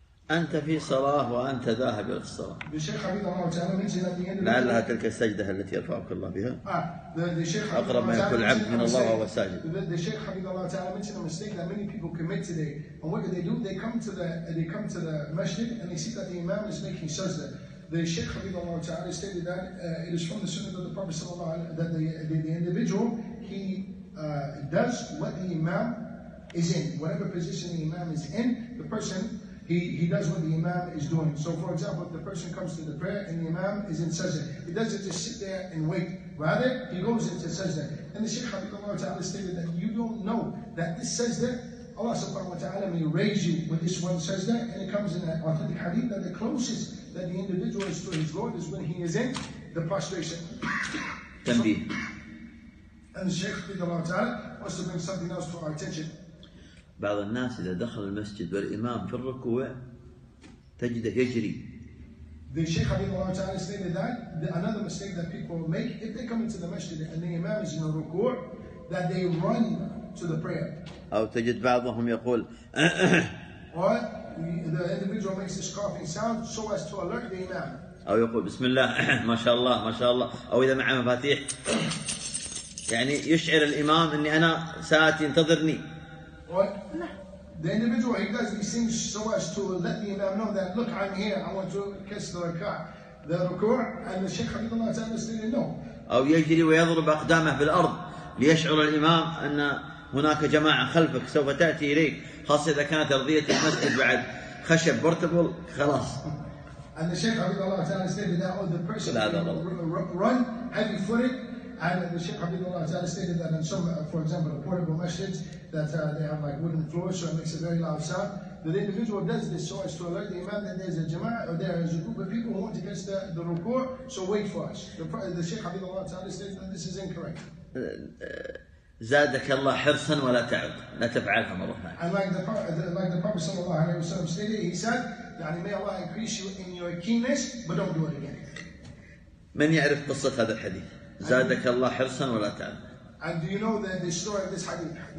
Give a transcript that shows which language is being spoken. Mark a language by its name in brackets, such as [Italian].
[Arabic] أنت في صلاة وأنت ذاهب إلى الصلاة. الشيخ عبد الله تعالى مثل هذه. لعلها تلك السجدة التي يرفعك الله بها. الشيخ أقرب ما يكون العبد من الله وهو ساجد. الشيخ عبد الله تعالى مثل [English] a mistake that many people commit today. And what they do? They come to the masjid and they see that the imam is making sajda. The Shaykh Habibullah تعالى stated that it is from the sunnah of the Prophet صلى الله عليه وسلم that the individual he does what the imam is in, whatever position the imam is in, the person. He does what the imam is doing. So for example, if the person comes to the prayer and the imam is in sajda, he doesn't just sit there and wait. Rather, he goes into sajda. And the Shaykh Habibullah Ta'ala stated that you don't know that this sajda, Allah subhanahu wa ta'ala may raise you with this one sajda. And it comes in that authentic hadith that the closest that the individual is to his Lord is when he is in the prostration. Tanbih. And the Shaykh Habibullah Ta'ala wants to bring something else to our attention. [Arabic] بعض الناس إذا دخل المسجد والإمام في الركوع تجده يجري. [English] The Shaykh Abu Dawood Ta'ala stated that another mistake that people make if they come into the masjid and the imam is in a ruku' that they run to the prayer. [Arabic] أو تجد بعضهم يقول. [English] Or the individual makes this coughing sound so as to alert the imam. [Arabic] أو يقول بسم الله ما شاء الله ما شاء الله. أو إذا معه مفاتيح يعني يشعر الإمام إني أنا ساعتي انتظرني. [English] The individual, he does these things so as to let the imam know that, look, I'm here, I want to kiss the rukur. The rukur, and the Shaykh Habibullah Ta'ala said, no. [Arabic] أو يجري ويضرب أقدامه في الأرض ليشعر الإمام أن هناك جماعة خلفك سوف تأتي إليك، خاصة إذا كانت أرضية المسجد بعد خشب بورتبل خلاص. [English] And the Shaykh Habibullah Ta'ala said that the person run heavy footed. And the Shaykh Habibullah Ta'ala stated that in some, for example, a portable masjid that they have like wooden floors, so it makes a very loud sound. But the individual does this so as to alert the imam that there's a jama'ah or there is a group of people who want to catch the rukur, so wait for us. The Shaykh Habibullah Ta'ala stated that this is incorrect. [Arabic] زادك الله حرصا ولا تعد لا تفعلها مرة ثانية. [English] Like the Prophet صلى الله عليه وسلم stated, he said, يعني may Allah increase you in your keenness, but don't do it again. [Arabic] من يعرف قصة هذا الحديث؟ زادك الله حرصا ولا تعب. [English] And do you know the story of this hadith?